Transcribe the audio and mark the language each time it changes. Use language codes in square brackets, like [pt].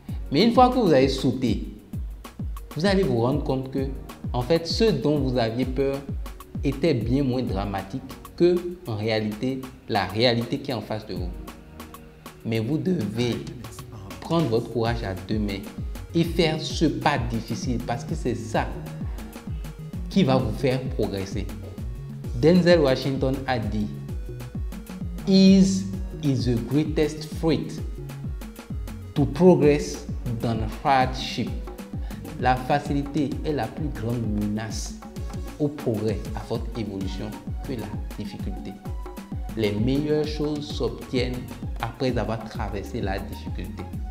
[fr] Mais une fois que vous avez sauté, vous allez vous rendre compte que, en fait, ce dont vous aviez peur était bien moins dramatique que, en réalité, la réalité qui est en face de vous. Mais vous devez prendre votre courage à deux mains et faire ce pas difficile parce que c'est ça qui va vous faire progresser. [en] Denzel Washington [fr] a dit, [en] "Ease is the greatest fruit to progress than hardship." [fr] La facilité est la plus grande menace au progrès, à votre évolution que la difficulté. Les meilleures choses s'obtiennent après avoir traversé la difficulté.